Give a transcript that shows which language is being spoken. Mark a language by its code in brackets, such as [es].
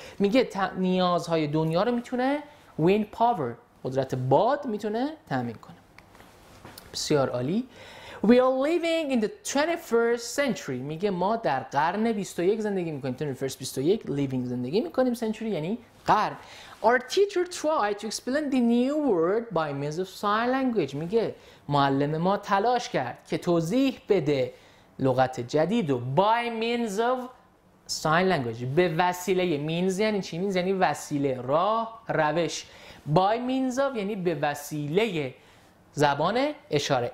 [fa] میگه نیازهای دنیا رو میتونه wind power، قدرت باد میتونه تامین کنه. بسیار عالی. [en] We are living in the 21st century. [fa] میگه ما در قرن 21 زندگی میکنیم. 21 living زندگی میکنیم. Century یعنی قرن. [en] Our teacher tried to explain the new word by means of sign language. [fa] میگه معلم ما تلاش کرد که توضیح بده لغت جدید رو [en] by means of sign language. [fa] به وسیله means یعنی چی؟ means یعنی وسیله، راه، روش. By means of یعنی به وسیله زبان اشاره.